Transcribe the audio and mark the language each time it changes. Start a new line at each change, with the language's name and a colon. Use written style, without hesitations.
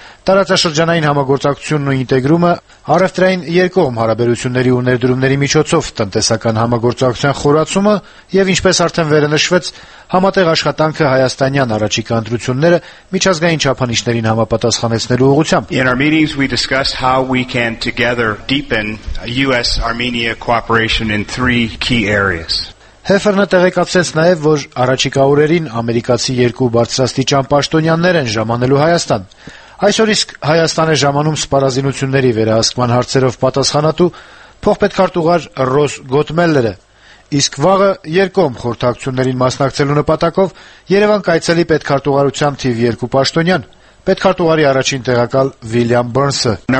Armenian: տարածաշրջանային համագործակցությունն ու ինտեգրումը, առևտրային երկողմ հարաբերությունների ու ներդրումների միջոցով տնտեսական համագործակցության խորացումը և, ինչպես արդեն վերնշվեց, համատեղ աշխատանքը հայաստանյան առաջիկա ընտրությունները միջազգային չափանիշներին համապատասխանեցնելու ուղղությամբ։
English: In our meetings we discussed how we can together deepen US-Armenia cooperation in three key areas.
Armenian: Հեֆերնը տեղեկացրեց նաև, որ առաջիկա օրերին ամերիկացի երկու բարձրաստիճան պաշտոնյաններ են ժամանելու Հայաստան։ Այսօր իսկ Հայաստանը ժամանում սպառազինությունների վերահսկման հարցերով պատասխանատու փոխպետքարտուղար Ռոս Գոտմելլերը, իսկ վաղը երկողմ խորհրդակցություններին մասնակցելու նպատակով Երևան կայցելի պետքարտուղարության թիվ 2 պաշտոնյան, պետքարտուղարի առաջին տեղակալ Վիլյամ Բրնսը։